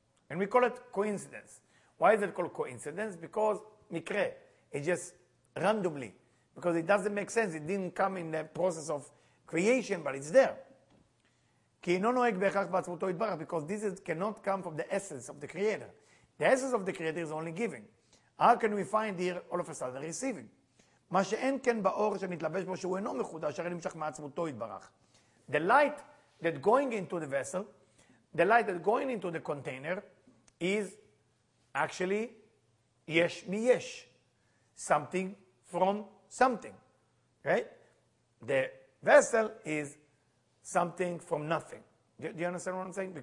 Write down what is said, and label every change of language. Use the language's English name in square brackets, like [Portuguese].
[English] And we call it coincidence. Why is it called coincidence? Because mikre, it just randomly, because it doesn't make sense. It didn't come in the process of creation, but it's there. [Hebrew] Ki no noeg bechach ba'atzmuto itbarach, [English] because this is, cannot come from the essence of the creator. The essence of the creator is only giving. How can we find here all of a sudden receiving? [Hebrew] מה שאין כן באור שמתלבש בו שהוא אינו מחודש, שהרי נמשך מעצמותו יתברך. [English] The light that going into the vessel, the light that going into the container, is actually yesh mi yesh. Something from something. Right? The vessel is something from nothing. Do you understand what I'm saying?